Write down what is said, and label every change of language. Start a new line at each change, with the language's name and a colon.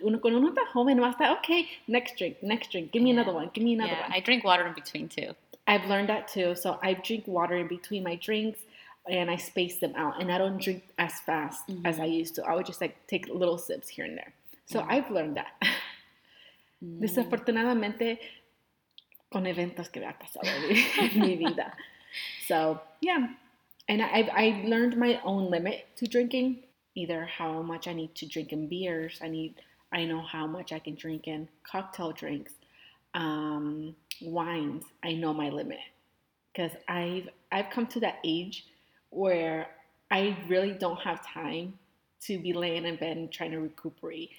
Spanish: Uno no está joven, no está.
English: Okay, next drink. Give me another one. I drink water in between too. I've learned that too. So I drink water in between my drinks. And I space them out. And I don't drink as fast mm-hmm. as I used to. I would just, like, take little sips here and there. So mm-hmm. I've learned that. Mm-hmm.
Spanish: Desafortunadamente, con eventos que me ha pasado en mi vida.
English: So, yeah. And I've learned my own limit to drinking. Either how much I need to drink in beers. I know how much I can drink in cocktail drinks. Wines. I know my limit. Because I've come to that age where I really don't have time to be laying in bed and trying to recuperate.